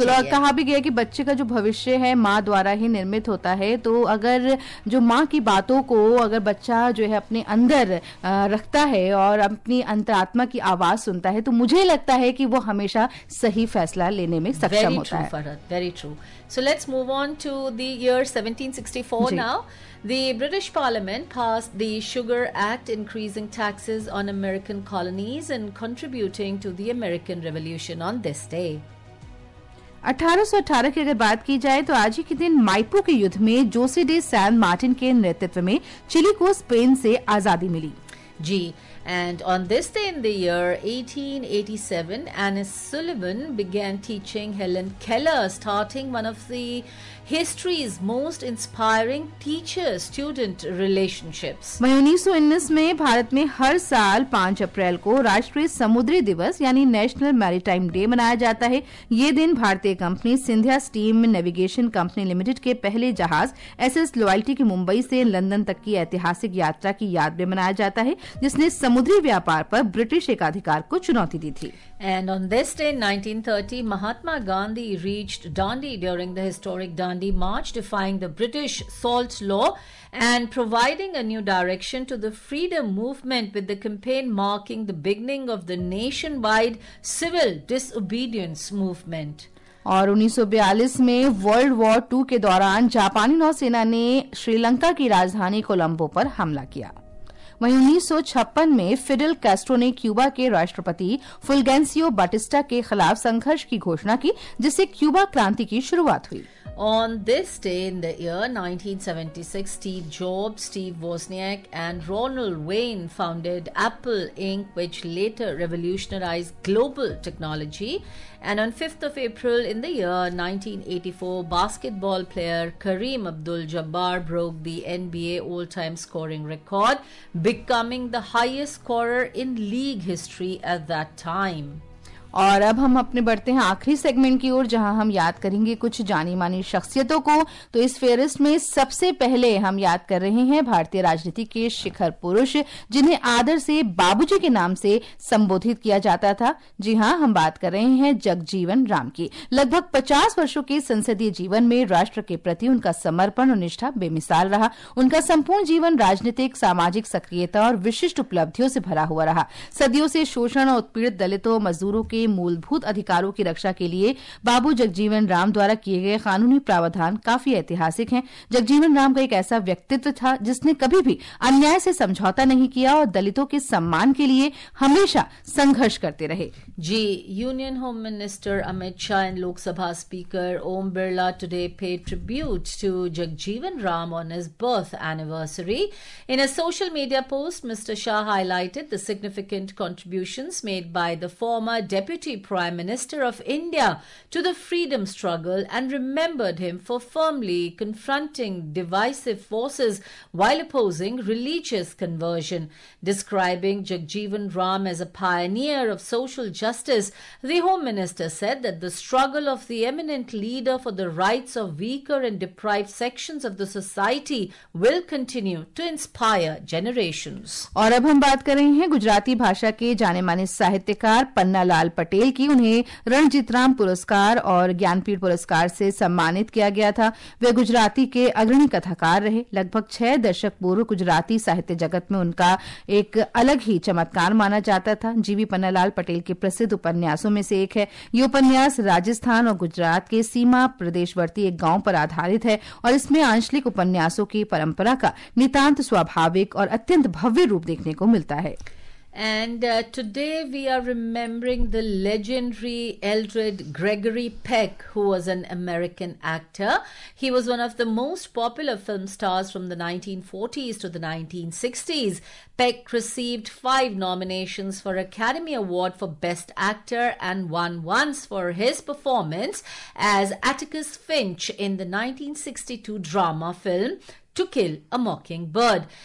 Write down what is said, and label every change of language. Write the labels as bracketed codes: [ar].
[hi] बिल्कुल, और कहा भी गया कि बच्चे का जो भविष्य है माँ द्वारा ही निर्मित होता है, तो अगर जो माँ की बातों को अगर बच्चा जो है अपने अंदर रखता है और अपनी अंतरात्मा की आवाज सुनता है, तो मुझे लगता है कि वो हमेशा सही फैसला लेने में सक्षम होता है। [en] Very true Farhat, very true. So let's move on to the year 1764 now. The British Parliament passed the Sugar Act, increasing taxes on American colonies and contributing to the American Revolution on this day. [hi] 1818 की अगर बात की जाए तो आज ही के दिन माइपो के युद्ध में जोसे डे सैन मार्टिन के नेतृत्व में चिली को स्पेन से आजादी मिली। [en] जी, and on this day in the year 1887 Anne Sullivan began teaching Helen Keller, starting one of the history's most inspiring teacher student relationships. [hi] 1919 में भारत में हर साल 5 अप्रैल को राष्ट्रीय समुद्री दिवस यानी [en] national maritime day [hi] मनाया जाता है। ये दिन भारतीय company Scindia steam navigation company limited के पहले जहाज SS लॉयल्टी की मुंबई से लंदन तक की ऐतिहासिक यात्रा की याद में मनाया जाता है, जिसने समुद्री व्यापार पर ब्रिटिश एकाधिकार को चुनौती दी थी। [en] And on this day, 1930, Mahatma Gandhi reached Dandi during the historic Dandi March, defying the British Salt Law and providing a new direction to the freedom movement with the campaign marking the beginning of the nationwide civil disobedience movement. [hi] और 1942 में world war to के दौरान जापानी नौसेना ने श्रीलंका की राजधानी कोलंबो पर हमला किया। वहीं 1956 में फिडेल कैस्ट्रो ने क्यूबा के राष्ट्रपति फुलगेंसियो बाटिस्टा के खिलाफ संघर्ष की घोषणा की, जिससे क्यूबा क्रांति की शुरुआत हुई। [en] On this day in the year 1976, Steve Jobs, Steve Wozniak and Ronald Wayne founded Apple Inc., which later revolutionized global technology. And on 5th of April in the year 1984, basketball player Kareem Abdul-Jabbar broke the NBA all-time scoring record, becoming the highest scorer in league history at that time. [hi] और अब हम अपने बढ़ते हैं आखिरी segment की ओर, जहां हम याद करेंगे कुछ जानी मानी शख्सियतों को। तो इस फेरिस्ट में सबसे पहले हम याद कर रहे हैं भारतीय राजनीति के शिखर पुरुष, जिन्हें आदर से बाबूजी के नाम से संबोधित किया जाता था। जी हां, हम बात कर रहे हैं जगजीवन राम की। लगभग 50 वर्षों के संसदीय जीवन में राष्ट्र के प्रति उनका समर्पण और निष्ठा बेमिसाल रहा। उनका संपूर्ण जीवन राजनीतिक, सामाजिक सक्रियता और विशिष्ट उपलब्धियों से भरा हुआ रहा। सदियों से शोषण और उत्पीड़ित दलितों, मजदूरों के मूलभूत अधिकारों की रक्षा के लिए बाबू जगजीवन राम द्वारा किए गए कानूनी प्रावधान काफी ऐतिहासिक हैं। जगजीवन राम का एक ऐसा व्यक्तित्व था जिसने कभी भी अन्याय से समझौता नहीं किया और दलितों के सम्मान के लिए हमेशा संघर्ष करते रहे। [en] जी, union home minister Amit Shah and Lok Sabha speaker Om Birla today pay tribute to Jagjivan Ram on his birth anniversary. In a social media post mister Shah highlighted the significant contributions made by the former Deputy Prime Minister of India to the freedom struggle and remembered him for firmly confronting divisive forces while opposing religious conversion. Describing Jagjivan Ram as a pioneer of social justice, the Home Minister said that the struggle of the eminent leader for the rights of weaker and deprived sections of the society will continue to inspire generations. [hi] और अब हम बात कर रहे हैं गुजराती भाषा के जाने माने साहित्यकार पन्नालाल पटेल की. उन्हें रणजीत राम पुरस्कार और ज्ञानपीठ पुरस्कार से सम्मानित किया गया था. वे गुजराती के अग्रणी कथाकार रहे. लगभग 6 दशक पूर्व गुजराती साहित्य जगत में उनका एक अलग ही चमत्कार माना जाता था. जीवी पन्नालाल पटेल के प्रसिद्ध उपन्यासों में से एक है. ये उपन्यास राजस्थान और गुजरात के सीमा प्रदेशवर्ती एक गांव पर आधारित है और इसमें आंशलिक उपन्यासों की परंपरा का नितांत स्वाभाविक और अत्यंत भव्य रूप देखने को मिलता है. [en] And today we are remembering the legendary Eldred Gregory Peck, who was an American actor. He was one of the most popular film stars from the 1940s to the 1960s. Peck received 5 nominations for Academy Award for Best Actor and won once for his performance as Atticus Finch in the 1962 drama film To Kill a Mockingbird.